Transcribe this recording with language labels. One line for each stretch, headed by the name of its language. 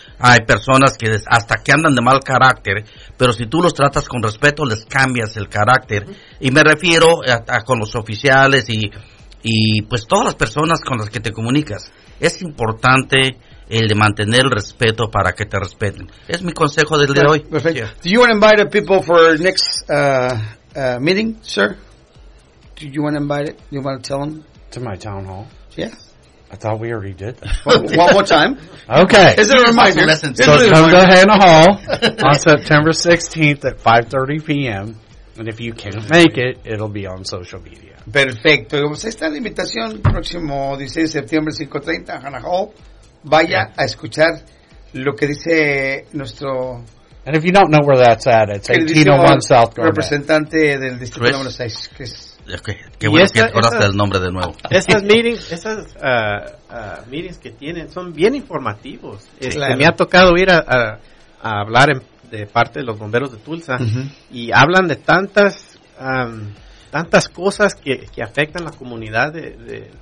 Spanish: Hay personas que hasta que andan de mal carácter, pero si tú los tratas con respeto, les cambias el carácter. Y me refiero a con los oficiales y pues todas las personas con las que te comunicas. Es importante el de mantener el respeto para que te respeten. Es mi consejo del día de hoy. Perfecto.
English: Yeah. Do you want to invite people for next meeting, sir? Do you want to invite it? You want to tell them? To my town hall? Yes. I thought we already did that. One more time. Okay. Is there a reminder? So come to Hannah Hall on September 16th at 5:30 p.m. And if you can't make it, it'll be on social media.
Spanish: Perfecto. Pues ahí está la invitación. Próximo 16 de septiembre, 5:30, Hannah Hall. Vaya a escuchar lo que dice nuestro...
English: And if you don't know where that's at, it's 1801 South Gordon.
Spanish: Representante del Distrito número 6. Que es... Okay. Qué bueno que acordaste el nombre de nuevo. Esas meetings que tienen son bien informativos. Sí, claro. Me ha tocado ir a hablar de parte de los bomberos de Tulsa. Uh-huh. Y hablan de tantas... tantas cosas que afectan la comunidad de